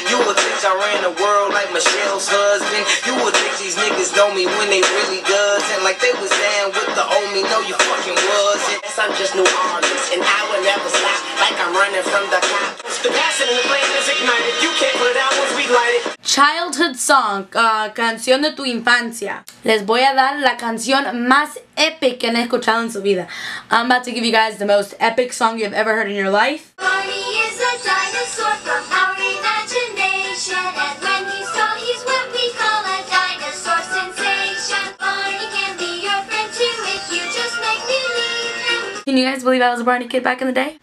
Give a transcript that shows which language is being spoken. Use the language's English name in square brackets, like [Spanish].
[English] You would think I ran the world like Michelle's husband. You would think these niggas know me when they really does. And like they was down with the old me, no, you fucking wasn't. Yes, I'm just New Orleans, and I would never stop. Like I'm running from the cops. The passion and the flame is ignited. You can't put out once we light it. Childhood song, [Spanish] canción de tu infancia. Les voy a dar la canción más epic que han escuchado en su vida. [English] I'm about to give you guys the most epic song you've ever heard in your life. Barney is a dinosaur from our imagination. And when he's tall, he's what we call a dinosaur sensation. Barney can be your friend too if you just make believe him. Can you guys believe I was a Barney kid back in the day?